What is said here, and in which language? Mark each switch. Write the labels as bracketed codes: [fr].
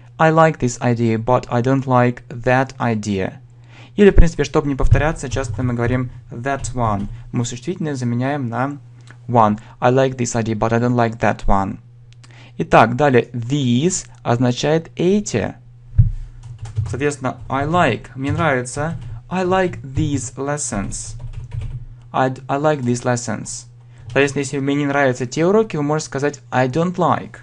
[en] I like this idea, but I don't like that idea. [ru] Или, в принципе, чтобы не повторяться, часто мы говорим that one. Мы существительное заменяем на one. [en] I like this idea, but I don't like that one. [ru] Итак, далее, these означает эти. Соответственно, [en] I like, [ru] мне нравится. [en] I like these lessons. I like these lessons. [ru] Соответственно, если мне не нравятся те уроки, вы можете сказать [en] I don't like.